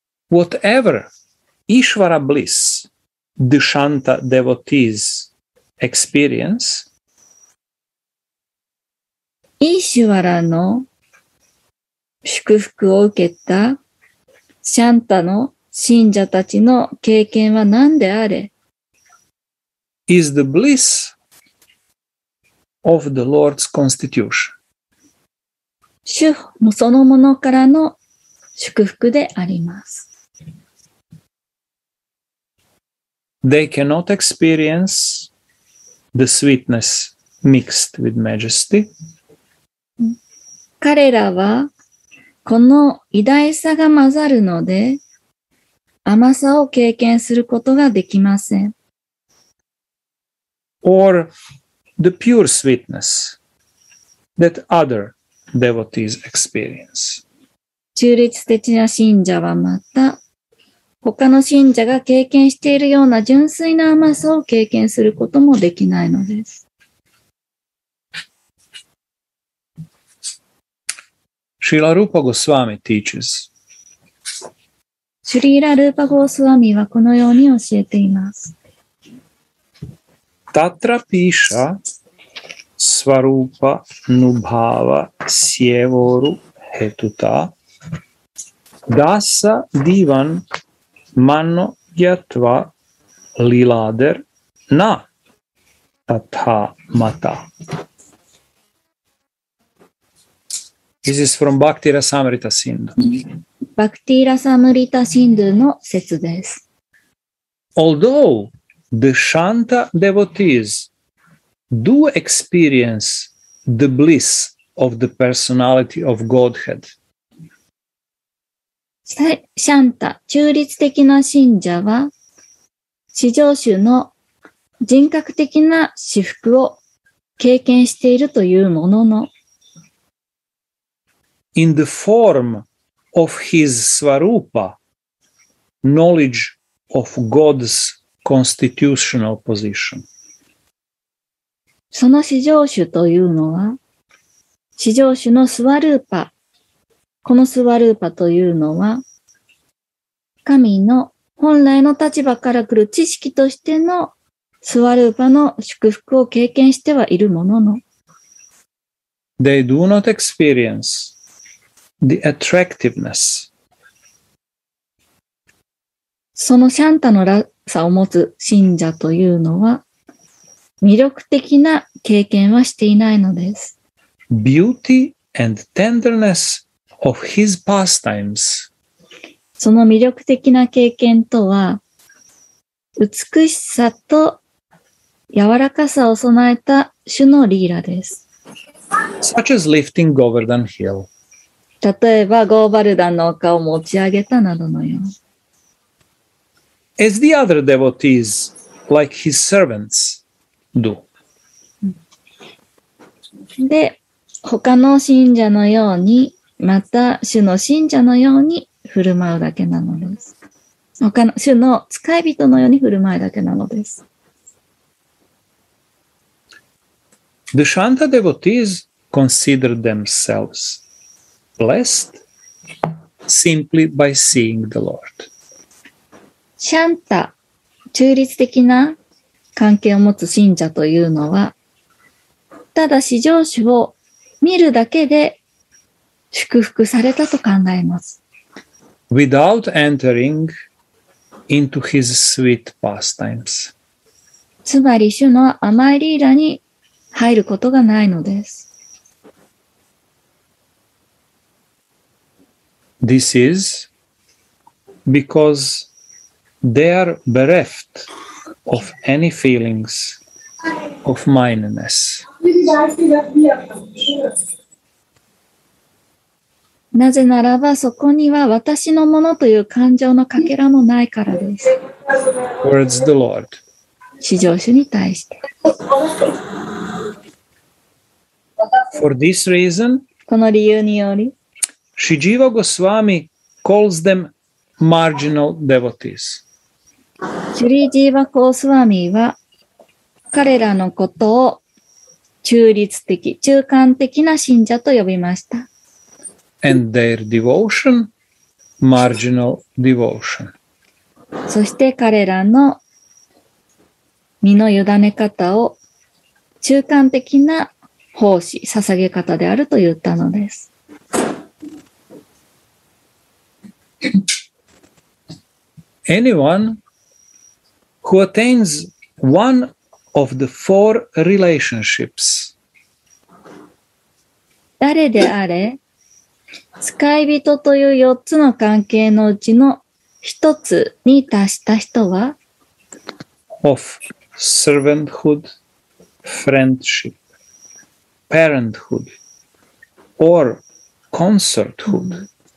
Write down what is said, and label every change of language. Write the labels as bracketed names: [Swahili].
[English] Whatever Ishvara bliss Dushanta devotees experience, [Japanese] イシワラの祝福を受けたシャンタの信者たちの経験は何であれ [English] ?is the bliss of the Lord's constitution. [Japanese] 主もそのものからの祝福であります。 [English] They cannot experience the sweetness mixed with majesty. [Japanese] 彼らはこの偉大さが混ざるので甘さを経験することができません。 [English] Or the pure sweetness that other devotee's experience. [Japanese] 中立的な信者はまた、他の信者が経験しているような純粋な甘さを経験することもできないのです。 [English] Srila Rupa Goswami teaches. [Japanese] Srila Rupa Goswami はこのように教えています。 [Sanskrit] Tatra pisha svarupa nubhava sievoru hetuta dasa divan mano yatva lilader na tatha mata. [English] This is from Bhakti Rasamrita Sindhu. [Japanese] Bhakti Rasamrita Sindhu の説です。 [English] Although the Shanta devotees do experience the bliss of the personality of Godhead. [Japanese] Shanta, 中立的な信者は、至上主の人格的な至福を経験しているというものの、 [English] In the form of his Swarupa, knowledge of God's constitutional position. [Japanese] その至上主というのは、至上主のスワルーパ、このスワルーパというのは、神の本来の立場から来る知識としてのスワルーパの祝福を経験してはいるものの、 [English] They do not experience the attractiveness. [Japanese] そのシャンタのらさを持つ信者というのは、魅力的な経験はしていないのです。 [English] Beauty and tenderness of his pastimes. [Japanese] その魅力的な経験とは、美しさと柔らかさを備えた主のリーラです。 [English] Such as lifting Govardhan Hill. [Japanese] 例えば、ゴーバルダンの丘を持ち上げたなどのよう。 [English] As the other devotees, like his servants, do. [Japanese] で、他の信者のように、また主の信者のように振る舞うだけなのです。他の主の使い人のように振る舞うだけなのです。 [English] The Shanta devotees consider themselves blessed simply by seeing the Lord. [Japanese] シャンタ、中立的な関係を持つ信者というのは、ただ至上主を見るだけで祝福されたと考えます。 [English] Without entering into his sweet pastimes. [Japanese] つまり主の甘いリーラに入ることがないのです。 [English] This is because They are bereft of any feelings of minorness. [Japanese] なぜならばそこには私のものという感情のかけらもないからです。 [English] Towards the Lord. [Japanese] 至上主に対して。 [English] For this reason, [Japanese] この理由により、 [English] Shijiva Goswami calls them marginal devotees. [Japanese] シュリージーヴァ・ゴースワミは彼らのことを中立的、中間的な信者と呼びました。 [English] And their devotion, marginal devotion. [Japanese] そして彼らの身の委ね方を中間的な奉仕、捧げ方であると言ったのです。 [English] Anyone? Who attains one of the four relationships? [Japanese] 誰であれ、使い人という四つの関係のうちの一つに達した人は、 [English] of servanthood, friendship, parenthood, or consorthood.